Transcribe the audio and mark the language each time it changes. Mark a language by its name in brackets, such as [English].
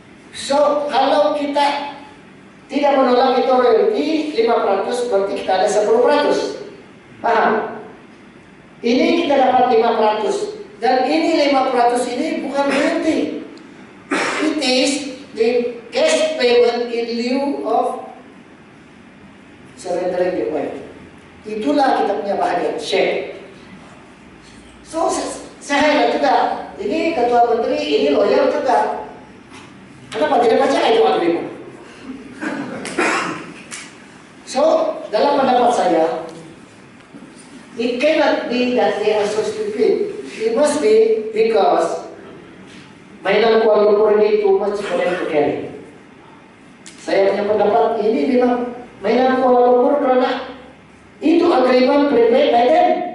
[Malay] So, kalau kita tidak menolak itu royalty 500, berarti kita ada 10%. Paham? Ini kita dapat 500 dan ini 500 ini bukan royalty. [English] It is the cash payment in lieu of surrendering the oil. [Malay] Itulah kita punya bahagia, share. So, saya heran juga. Ini ketua menteri, ini lawyer juga. Kenapa tidak baca itu waktu itu? [English] So, [Malay] dalam pendapat saya, [English] it cannot be that they are so stupid. It must be because [Malay] mainan Kuala Lumpur ini [English] too much for them to carry. [Malay] Saya punya pendapat ini memang mainan Kuala Lumpur karena itu [English] agreement prepaid by them.